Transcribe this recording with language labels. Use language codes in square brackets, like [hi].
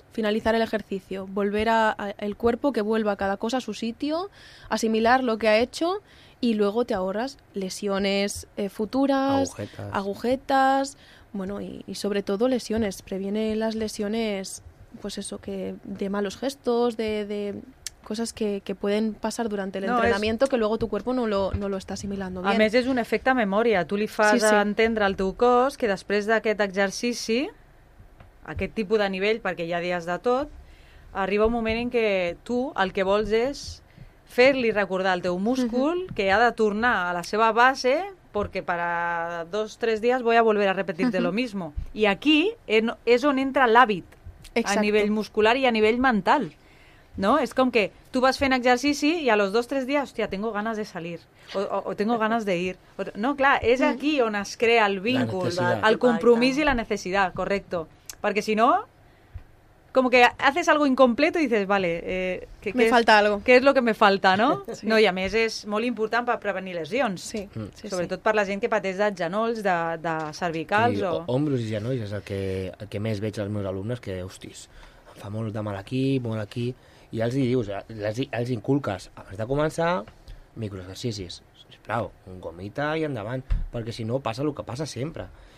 [es] finalizar el ejercicio, volver a el cuerpo que vuelva cada cosa a su sitio, asimilar lo que ha hecho y luego te ahorras lesiones futuras, agujetas, bueno, y sobre todo lesiones, previene las lesiones, pues eso, que de malos gestos, de cosas que pueden pasar durante el entrenamiento que luego tu cuerpo no lo está asimilando bien. [ca] A més, és un efecte memòria, tu li fas sí, sí. Entendre al teu cos que després d'aquest exercici aquest tipus de nivell, perquè ja dies de tot, arriba un moment en què tu el que vols és fer-li recordar el teu múscul que ha de tornar a la seva base perquè per a 2-3 dies [es] voy a volver a repetir-te lo mismo. [ca] I aquí és on entra l'hàbit. Exacte. A nivell muscular i a nivell mental. No? És com que tu vas fent exercici i a los 2-3 dies, hòstia, [es] tengo ganas de salir o tengo ganas de ir. [ca] No, clar, és aquí on es crea el vincul, el compromís i la necessitat, correcto. [es] Porque si no, como que haces algo incompleto y dices, vale, me falta algo. ¿Qué es lo que me falta, no? Sí. No, y a més es muy importante para prevenir lesiones. Sí. [ca] Sobretot per la gent que pateix de genolls, de cervicals sí, o... hombros i genolls és el que més veig als meus alumnes, que, hostis, em fa molt de mal aquí, molt aquí... I els hi dius, els inculques, abans de començar, microexercicis. Sisplau, un gomita i endavant, perquè si no passa el que passa sempre.